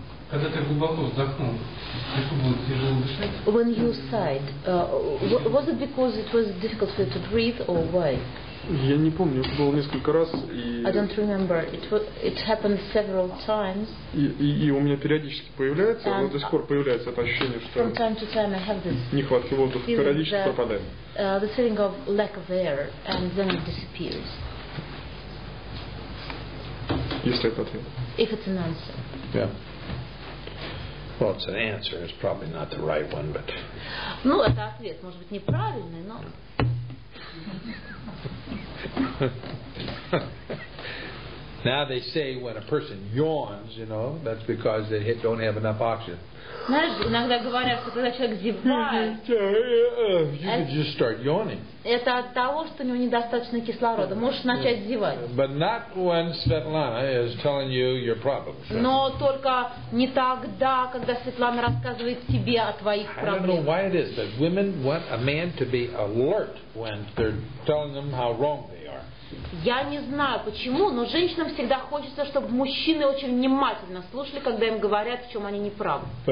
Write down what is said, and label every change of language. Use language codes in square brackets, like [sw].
[ru] Когда ты глубоко вздохнул, это было тяжело дышать? [en] When you sighed, was it because it was difficult for you to breathe, or why? [ru] Я не помню, это было несколько раз. [en] I don't remember. It happened several times. [ru] И у меня периодически появляется, до сих пор появляется это ощущение, что [en] from time to time I have this [ru] нехватки воздуха периодически пропадает. [en] The feeling of lack of air, and then it disappears. [ru] Если это ответ. [en] If it's an answer. Yeah. Well, it's an answer. It's probably not the right one, but. [ru] Ну, это ответ, может быть, неправильный, но. [en] Now they say when a person yawns, you know, that's because they don't have enough oxygen. [ru] Знаешь, иногда говорят, что когда человек зевает, это от того, что у него недостаточно кислорода. Можешь начать зевать. [en] But not when Svetlana is telling you your problems. [ru] Но только не тогда, когда Светлана рассказывает тебе о твоих проблемах. [en] I don't know why it is that women want a man to be alert when they're telling them how wrong they are. [ru] Я не знаю почему, но женщинам всегда хочется, чтобы мужчины очень внимательно слушали, когда им говорят, в чем они неправы.